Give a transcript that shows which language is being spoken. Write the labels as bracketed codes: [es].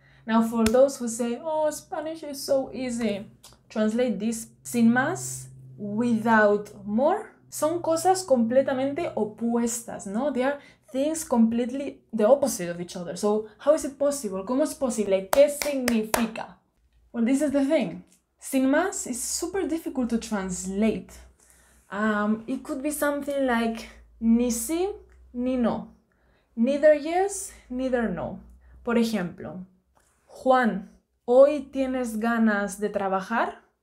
[en] Now for those who say, oh, Spanish is so easy, translate this. [es] Sin más, [en] without more, [es] son cosas completamente opuestas, ¿no? [en] They are things completely the opposite of each other. So how is it possible? [es] ¿Cómo es posible? ¿Qué significa? [en] Well, this is the thing. Sin más is super difficult to translate. It could be something like [es] ni si, ni no. [en] Neither yes, neither no. [es] Por ejemplo, Juan, ¿hoy tienes ganas de trabajar?